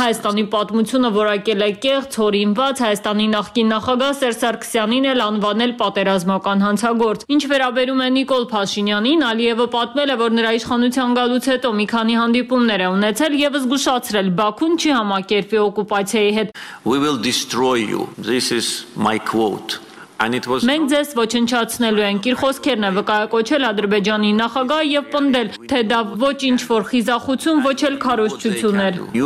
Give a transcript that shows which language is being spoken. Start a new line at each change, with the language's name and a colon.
Armenian: Հայաստանի պատմությունը որակել է կեղծ, հորինված, Հայաստանի նախկին նախագահ Սերժ Սարգսյանին էլ անվանել պատերազմական հանցագործ։ Ինչ վերաբերում է Նիկոլ Փաշինյանին, Ալիևը պատմել է, որ նրա իշխանության գալուց հետո մի քանի հանդիպումներ է ունեցել և զգուշացրել Բաքուն չի համակերպվի օկուպացիայի հետ։
English: We will destroy you. This is my quote.
Armenian: Մենք ձեզ ոչնչացնելու ենք, իր խոսքերն է վկայակոչել Ադրբեջանի նախագահը եւ պնդել, թե դա ոչ ինչ որ խիզախություն, ոչ էլ քարոշչություն էր։